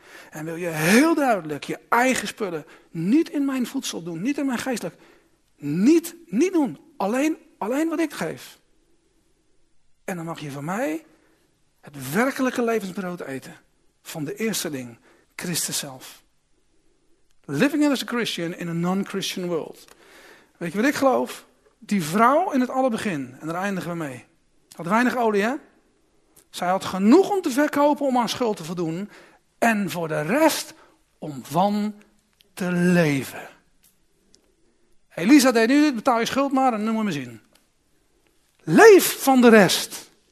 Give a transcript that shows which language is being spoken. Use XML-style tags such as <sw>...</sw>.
<nl>En wil je heel duidelijk je eigen spullen niet in mijn voedsel doen, niet in mijn geestelijk, niet doen, alleen wat ik geef. En dan mag je van mij het werkelijke levensbrood eten van de eersteling. Christus zelf.</nl> <en>Living as a Christian in a non-Christian world.</en> <nl>Weet je wat ik geloof? Die vrouw in het allerbegin, en daar eindigen we mee, had weinig olie, hè? Zij had genoeg om te verkopen om haar schuld te voldoen en voor de rest om van te leven. Elisa deed nu dit, betaal je schuld maar en noem hem eens in. Leef van de rest.</nl>